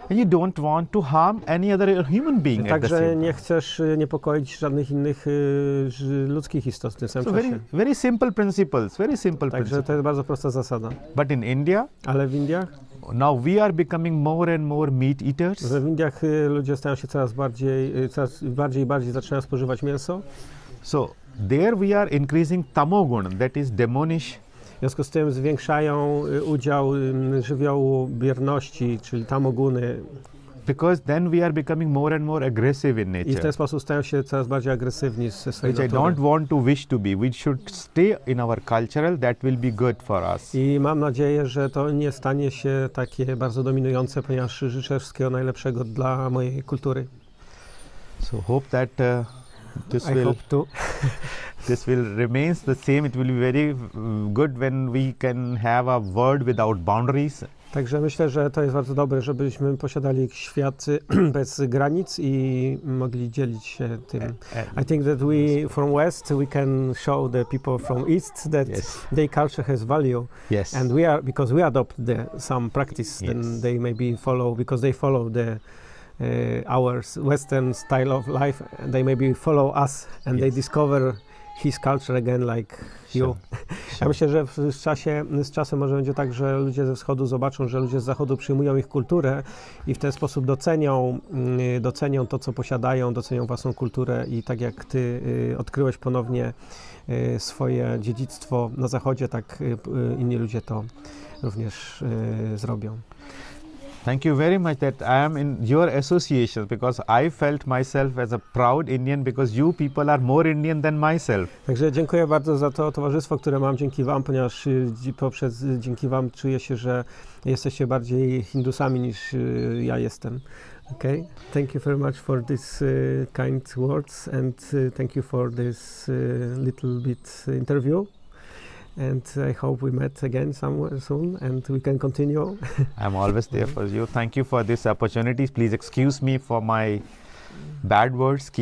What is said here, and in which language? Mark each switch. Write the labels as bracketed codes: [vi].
[en] And you don't want to harm any other human being. [pl] Także nie chcesz niepokoić żadnych innych ludzkich istot w tym samym [en] so [pl] czasie. [en] Very simple principles, very simple [pl] także [en] principles. [pl] To jest bardzo prosta zasada. [en] But in India. [pl] Ale w Indiach. [en] Now we are becoming more and more meat eaters. [pl] W Indiach ludzie stają się coraz bardziej i bardziej zaczynają spożywać mięso. [en] So there we are increasing tamogun, that is demonish. [pl] W związku z tym zwiększają udział żywiołu bierności, czyli tamoguny. [en] Because then we are becoming more and more aggressive in nature. [pl] I w ten sposób stają się coraz bardziej agresywni ze swojej [en] which [pl] natury. [en] I don't want to wish to be. We should stay in our cultural. That will be good for us. [pl] I mam nadzieję, że to nie stanie się takie bardzo dominujące, ponieważ życzę wszystkiego najlepszego dla mojej kultury. [en] So hope that this I will hope to. This will remain the same. It will be very good when we can have a world without boundaries. [pl] Także myślę, że to jest bardzo dobre, żebyśmy posiadali świat bez granic i mogli dzielić się tym. [en] I think that we from West we can show the people from East that yes. their culture has value. Yes. And we are because we adopt the some practice yes. then they maybe follow because they follow the our Western style of life and they maybe follow us and yes. they discover his culture again like sure. you. Sure. [pl] Ja myślę, że z czasem może będzie tak, że ludzie ze wschodu zobaczą, że ludzie z zachodu przyjmują ich kulturę i w ten sposób docenią to, co posiadają, docenią własną kulturę i tak jak ty odkryłeś ponownie swoje dziedzictwo na zachodzie, tak inni ludzie to również zrobią. [en] Thank you very much that I am in your association because I felt myself as a proud Indian because you people are more Indian than myself. [pl] Także dziękuję bardzo za to towarzystwo, które mam dzięki wam, ponieważ dzięki wam czuję się, że jesteście bardziej Hindusami niż ja jestem. [en] Okay? Thank you very much for this kind words and thank you for this little bit interview. And I hope we met again somewhere soon and we can continue. I'm always there for you. Thank you for this opportunity. Please excuse me for my bad words.